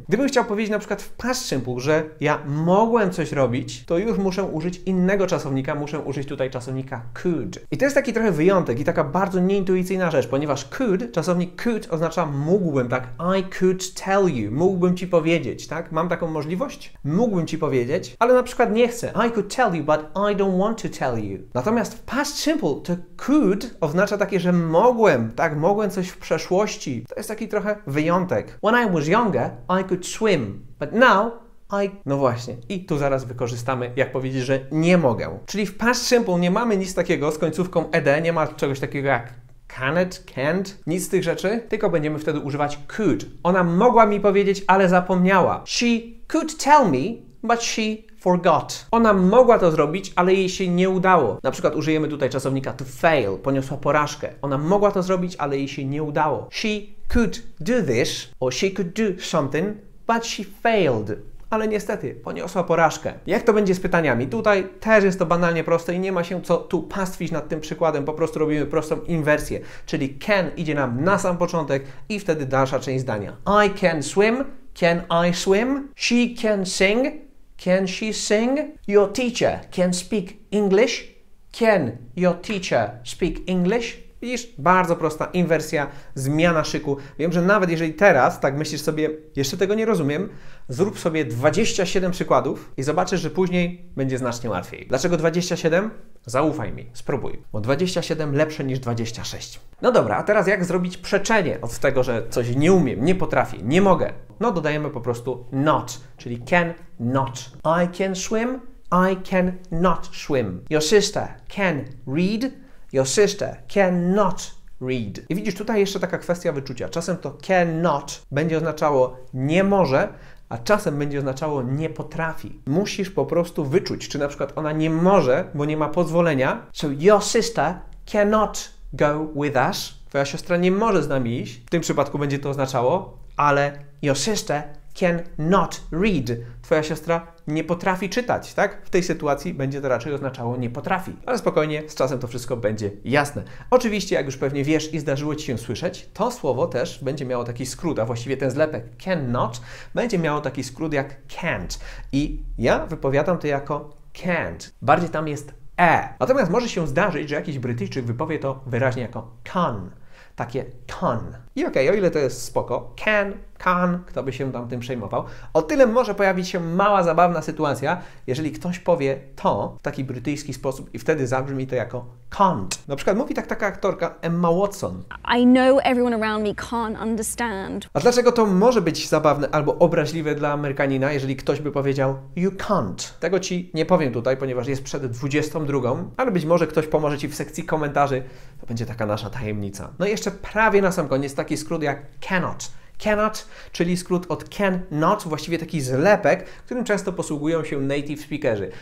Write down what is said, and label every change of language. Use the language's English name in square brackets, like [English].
[Polish] Gdybym chciał powiedzieć na przykład w past simple, że ja mogłem coś robić, to już muszę użyć innego czasownika, muszę użyć tutaj czasownika could. I to jest taki trochę wyjątek i taka bardzo nieintuicyjna rzecz, ponieważ could, czasownik could oznacza mógłbym, tak? [English] I could tell you, [Polish] mógłbym ci powiedzieć, tak? Mam taką możliwość? Mógłbym ci powiedzieć, ale na przykład nie chcę. [English] I could tell you, but I don't want to tell you. [Polish] Natomiast w past simple to could oznacza takie, że mogłem, tak? Mogłem coś w przeszłości. To jest taki trochę wyjątek. [English] When I was younger, I could swim, but now I... [Polish] No właśnie. I tu zaraz wykorzystamy, jak powiedzieć, że nie mogę. Czyli w past simple nie mamy nic takiego z końcówką ed, nie ma czegoś takiego jak can't, can't, nic z tych rzeczy, tylko będziemy wtedy używać could. Ona mogła mi powiedzieć, ale zapomniała. [English] She could tell me, but she forgot. [Polish] Ona mogła to zrobić, ale jej się nie udało. Na przykład użyjemy tutaj czasownika to fail, poniosła porażkę. Ona mogła to zrobić, ale jej się nie udało. [English] She could do this, or she could do something, but she failed. [Polish] ale niestety poniosła porażkę. Jak to będzie z pytaniami? Tutaj też jest to banalnie proste i nie ma się co tu pastwić nad tym przykładem, po prostu robimy prostą inwersję, czyli can idzie nam na sam początek i wtedy dalsza część zdania. [English] I can swim, can I swim? She can sing, can she sing? Your teacher can speak English, can your teacher speak English? [Polish] Widzisz? Bardzo prosta inwersja, zmiana szyku. Wiem, że nawet jeżeli teraz tak myślisz sobie, jeszcze tego nie rozumiem, zrób sobie 27 przykładów i zobaczysz, że później będzie znacznie łatwiej. Dlaczego 27? Zaufaj mi, spróbuj. Bo 27 lepsze niż 26. No dobra, a teraz jak zrobić przeczenie od tego, że coś nie umiem, nie potrafię, nie mogę? No dodajemy po prostu not, czyli can not. [English] I can swim, I can not swim. Your sister can read, your sister cannot read. [Polish] I widzisz, tutaj jeszcze taka kwestia wyczucia. Czasem to cannot będzie oznaczało nie może, a czasem będzie oznaczało nie potrafi. Musisz po prostu wyczuć, czy na przykład ona nie może, bo nie ma pozwolenia. [English] So your sister cannot go with us. [Polish] Twoja siostra nie może z nami iść. W tym przypadku będzie to oznaczało, ale [English] your sister cannot read. [Polish] Twoja siostra nie potrafi czytać, tak? W tej sytuacji będzie to raczej oznaczało nie potrafi. Ale spokojnie, z czasem to wszystko będzie jasne. Oczywiście, jak już pewnie wiesz i zdarzyło Ci się słyszeć, to słowo też będzie miało taki skrót, a właściwie ten zlepek cannot będzie miało taki skrót jak can't. I ja wypowiadam to jako can't. Bardziej tam jest e. Natomiast może się zdarzyć, że jakiś Brytyjczyk wypowie to wyraźnie jako can. Takie can. I okej, o ile to jest spoko, can, kto by się tam tym przejmował, o tyle może pojawić się mała, zabawna sytuacja, jeżeli ktoś powie to w taki brytyjski sposób i wtedy zabrzmi to jako can't. Na przykład mówi tak taka aktorka Emma Watson. [English] I know everyone around me can't understand. [Polish] A dlaczego to może być zabawne albo obraźliwe dla Amerykanina, jeżeli ktoś by powiedział [English] you can't? [Polish] Tego Ci nie powiem tutaj, ponieważ jest przed 22, ale być może ktoś pomoże Ci w sekcji komentarzy. To będzie taka nasza tajemnica. No i jeszcze prawie na sam koniec taki skrót jak cannot. Cannot, czyli skrót od can not, właściwie taki zlepek, którym często posługują się native speakerzy.